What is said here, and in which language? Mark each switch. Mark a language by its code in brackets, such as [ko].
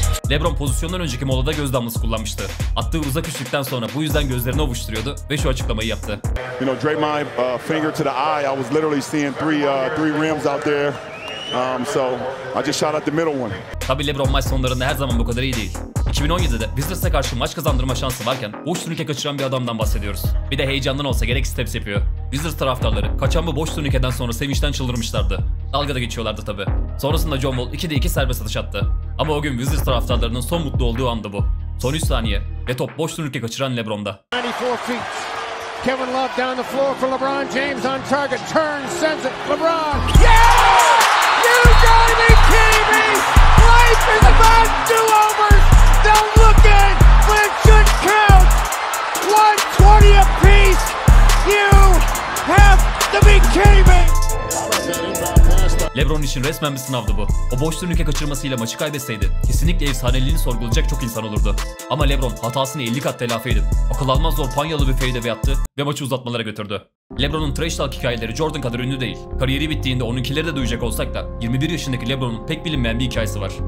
[tr] LeBron pozisyondan önceki molada göz damlası kullanmıştı. Attığı uzak üçlükten sonra bu yüzden gözlerini ovuşturuyordu ve şu açıklamayı yaptı. [en] You know, Draymond finger to the eye. I was literally seeing three rims out there. So I just shot at the middle one. [tr] Tabii LeBron maç sonlarında her zaman bu kadar iyi değil. 2017'de Wizards'a karşı maç kazandırma şansı varken boş turnike kaçıran bir adamdan bahsediyoruz. Bir de heyecandan olsa gerek steps yapıyor. Wizards taraftarları kaçan bu boş turnikeden sonra sevinçten çıldırmışlardı. Dalgada geçiyorlardı tabii. Sonrasında John Wall 2'de 2 serbest atış attı. Ama o gün Wizards taraftarlarının son mutlu olduğu andı bu. Son 3 saniye ve top boş turnike kaçıran LeBron'da. [en] Kevin Love down the floor for LeBron James on target. Turn sends it. LeBron. Yeah! You got me, KB! Life is about to over. Don't look in, but it should count. 120 apiece. You have to be kidding me. [tr] LeBron için resmen bir sınavdı bu. O boş turnike kaçırmasıyla maçı kaybetseydi kesinlikle efsaneliğini sorgulayacak çok insan olurdu. Ama LeBron hatasını 50 kat telafi edip akıl almaz zor panyalı bir fade away attı ve maçı uzatmalara götürdü. LeBron'un trash talk hikayeleri Jordan kadar ünlü değil. Kariyeri bittiğinde onunkileri de duyacak olsak da 21 yaşındaki LeBron'un pek bilinmeyen bir hikayesi var.